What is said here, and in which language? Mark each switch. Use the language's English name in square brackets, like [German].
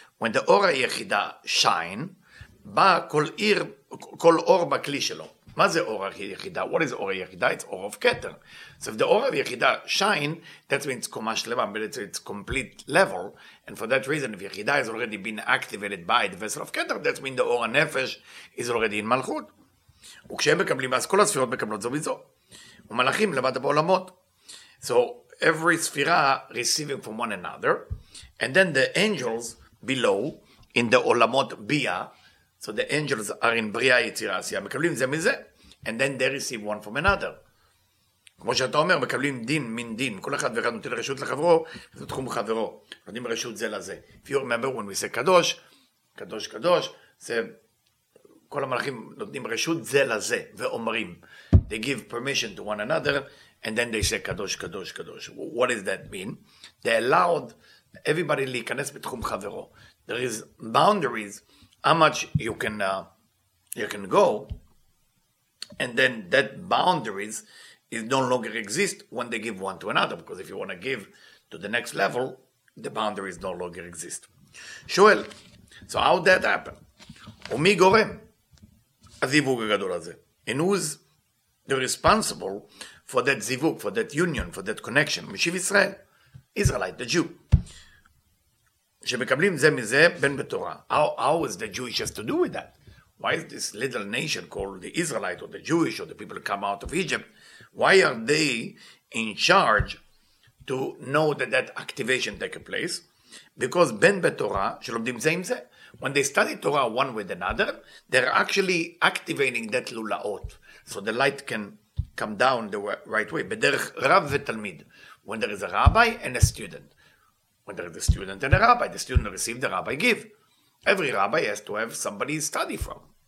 [English] When the or ha'yechida shine, ba kol or bakli shelo. Ma ze or ha'yechida? What is or ha'yechida? It's or of keter. So if the or ha'yechida shine, that means koma shlema, but it's complete level. And for that reason, if yechida has already been activated by the vessel of keter, that means the or ha'nefesh is already in malchut. [Hebrew] וכשהם מקבלים, אז כל הספירות מקבלות זו מזו. [English] ומלאכים למטה בעולמות. So every ספירה receiving from one another, and then the angels below in the עולמות ביה, so the angels are in בריאה יצירה עשייה, מקבלים זה מזה, and then they receive one from another. [Hebrew] כמו שאתה אומר, מקבלים דין מן דין, כל אחד ואחד נותן רשות לחברו, זה תחום חברו, נותנים רשות זה לזה. [English] If you remember when we say קדוש, קדוש קדוש, זה כל המלאכים נותנים רשות זה לזה ואומרים, they give permission to one another, and then they say, קדוש, קדוש, קדוש. What does that mean? They allowed everybody להיכנס בתחום חברו. There is boundaries, how much you can go, and then that boundaries is no longer exist when they give one to another, because if you want to give to the next level, the boundaries no longer exist. [Hebrew] שואל, so how did that happen? ומי גורם? הזיווג הגדול הזה. [English] And who's the responsible for that zivug, for that union, for that connection? [Hebrew] משיב ישראל, Israelite, the Jew. שמקבלים זה מזה בין בתורה. [English] How is the Jewish has to do with that? Why is this little nation called the Israelite or the Jewish or the people come out of Egypt? Why are they in charge to know that that activation take a place? [Hebrew] Because בין בתורה שלומדים זה עם זה. [English] When they study Torah one with another, they're actually activating that lulaot, so the light can come down the right way. Bederech rav v'talmid, when there is a rabbi and a student. When there is a student and a rabbi, the student receives, the rabbi give. Every rabbi has to have somebody study from.